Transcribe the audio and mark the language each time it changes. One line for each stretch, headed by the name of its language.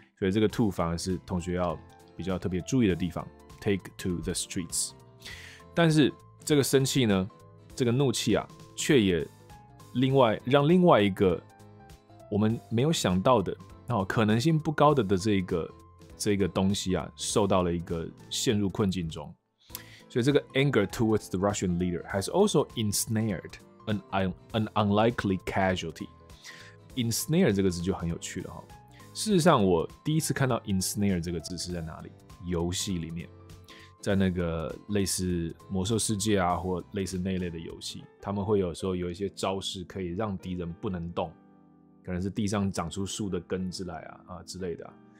Chinese: 所以这个 to 反而是同学要比较特别注意的地方 ，
English: take to the streets。
Chinese: 但是这个生气呢？这个怒气啊，却也让另外一个我们没有想到的、可能性不高的这个东西啊，受到了一个陷入困境中。所以这个
English: anger towards the Russian leader has also ensnared an unlikely casualty。
Chinese: ensnare 这个字就很有趣了哈。事实上，我第一次看到 ensnare 这个字是在哪里？游戏里面。在那个类似魔兽世界啊，或类似那一类的游戏，他们会有时候有一些招式可以让敌人不能动，可能是地上长出树的根之类 啊之类的、啊。